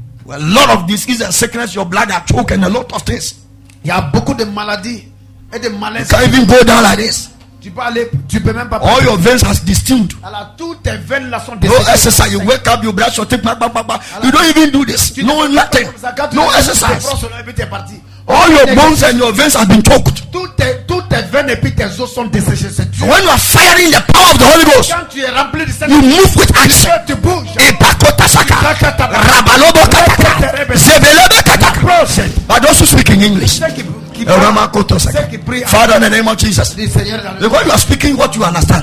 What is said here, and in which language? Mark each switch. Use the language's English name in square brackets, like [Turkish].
[English] A lot of diseases and sickness, your blood are choking, a lot of things. [French] Y a beaucoup de maladies et de malaises. [English] You can't even go down like this. [French] Tu peux aller, tu peux même pas [English] all your veins has distilled. [French] Alors, toutes tes veines là sont [English] distilled. No exercise. You wake up, you brush your teeth, bah, bah, bah, bah. You don't even do this. No nothing. No exercise. All your bones and your veins have been choked. [French] Toutes tes veines et puis tes os sont desséchés. [English] When you are firing the power of the Holy Ghost, [French] quand tu es rempli de [English] you move with action. [French] Tu bouges. Et pas quoi tasaka. Rabalobo tataka. [English] Zebelobo tataka. But those who speak in English. Father, in the name of Jesus. Because you are speaking what you understand.